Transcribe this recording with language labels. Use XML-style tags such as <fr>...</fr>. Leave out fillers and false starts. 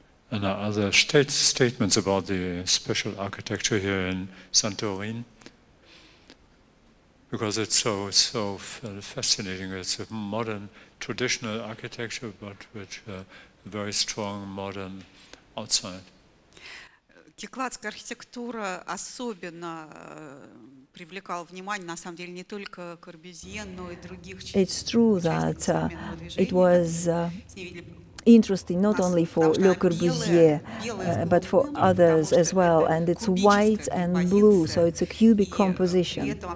<en>And are there statements about the special architecture here in Santorin? Because it's so fascinating. It's a modern, traditional architecture, but with a very strong modern outside.</en> <ru>Кикладская архитектура особенно привлекала внимание, на самом деле, не только Корбюзье, но и других.</ru> <en>It's true that it was. Interesting not only for Le Corbusier, but for others as well. And it's white and blue, so it's a cubic composition.</en>